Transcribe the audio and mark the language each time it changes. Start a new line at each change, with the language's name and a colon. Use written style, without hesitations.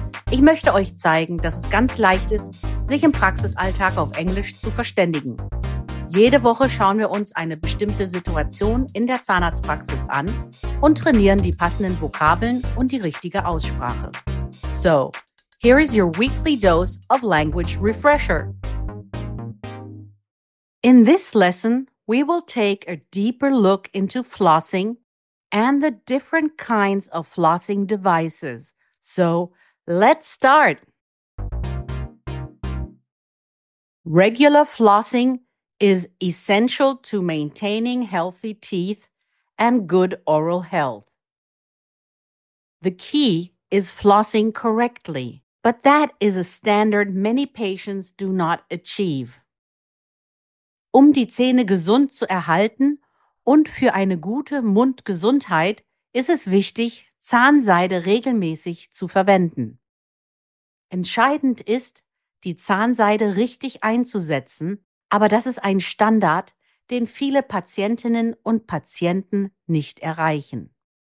German: Ich möchte euch zeigen, dass es ganz leicht ist, sich im Praxisalltag auf Englisch zu verständigen. Jede Woche schauen wir uns eine bestimmte Situation in der Zahnarztpraxis an und trainieren die passenden Vokabeln und die richtige Aussprache.
English: So, here is your weekly dose of language refresher. In this lesson, we will take a deeper look into flossing and the different kinds of flossing devices. So, let's start! Regular flossing is essential to maintaining healthy teeth and good oral health. The key is flossing correctly, but that is a standard many patients do not achieve.
German: Um die Zähne gesund zu erhalten und für eine gute Mundgesundheit, ist es wichtig, Zahnseide regelmäßig zu verwenden. Entscheidend ist, die Zahnseide richtig einzusetzen, aber das ist ein Standard, den viele Patientinnen und Patienten nicht erreichen.